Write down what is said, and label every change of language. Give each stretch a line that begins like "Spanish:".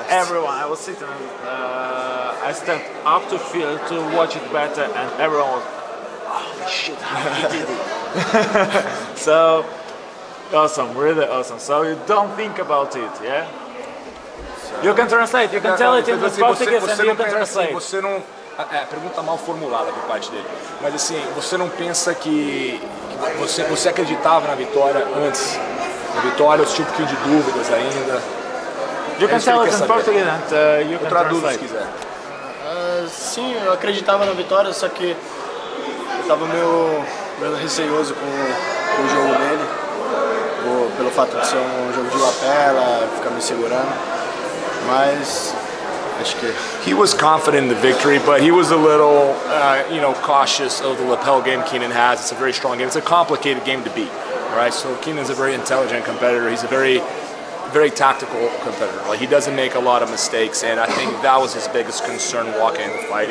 English: I was sitting. I stepped up to feel to watch it better, and everyone was, "Oh shit, he did it!" So awesome, really awesome. So you don't think about it, yeah? So, you can translate. You can tell it in the Portuguese, and you can translate.
Portuguese: Você não, pergunta mal formulada por parte dele. Mas assim, você não pensa que você acreditava na vitória antes? Na vitória, esse tipo de dúvidas ainda.
English: You can tell it in Portuguese, and you can
Portuguese: traduz se quiser. Sim, eu acreditava na vitória, só que eu estava meio receioso com o jogo dele, pelo fato de ser um jogo de lapela, ficar me segurando, mas acho que...
English: He was confident in the victory, but he was a little, you know, cautious of the lapel game Keenan has. It's a very strong game. It's a complicated game to beat, right? So Keenan's a very intelligent competitor. He's a very... very tactical competitor. Like, he doesn't make a lot of mistakes, and I think that was his biggest concern walking into the fight.